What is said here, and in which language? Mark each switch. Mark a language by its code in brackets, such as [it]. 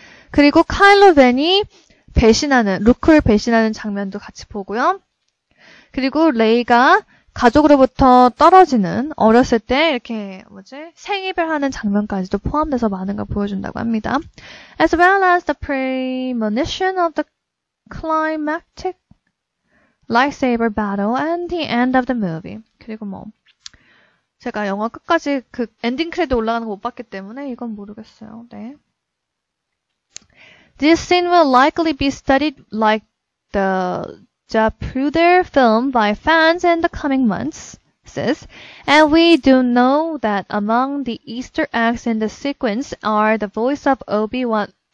[ko] 그리고 카일로 벤이 배신하는, 루크를 배신하는 장면도 같이 보고요. 그리고 레이가 가족으로부터 떨어지는, 어렸을 때, 이렇게, 뭐지, 생이별 하는 장면까지도 포함돼서 많은 걸 보여준다고 합니다. [en] As well as the premonition of the climactic lightsaber battle and the end of the movie. [ko] 그리고 뭐 제가 영화 끝까지 그 엔딩 크레딧 올라가는 거 못 봤기 때문에 이건 모르겠어요. 네. [en] This scene will likely be studied like the Zapruder film by fans in the coming months, says. And we do know that among the Easter eggs in the sequence are the voice of Obi-Wan.